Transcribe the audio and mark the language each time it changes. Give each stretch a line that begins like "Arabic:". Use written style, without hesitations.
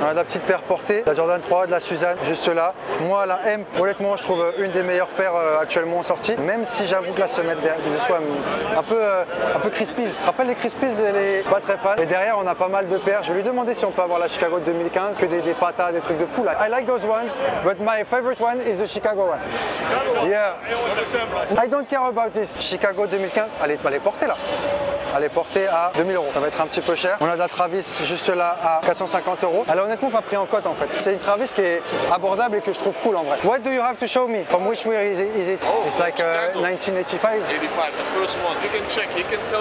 French: On a la petite paire portée, la Jordan 3, de la Suzanne, juste là. Moi, la M, honnêtement, je trouve une des meilleures paires actuellement sorties, même si j'avoue que la semelle de soi un peu crispies. Tu te rappelles les crispies, elle est pas très fan. Et derrière, on a pas mal de paires. Je vais lui demander si on peut avoir la Chicago de 2015, que des patas, des trucs de fou, là.
English: I like those ones, but my favorite one is the Chicago one. Yeah. I don't care about this. Chicago 2015,
French: elle est portée. Là. elle est portée à 2000 euros. Ça va être un petit peu cher. On a de la Travis juste là à 450 euros. Elle est honnêtement pas pris en cote en fait. C'est une Travis qui est abordable et que je trouve cool en vrai.
English: What do you have to show me? From which way is it? Oh, it's like 1985. 85, the first one. You can check, you can tell.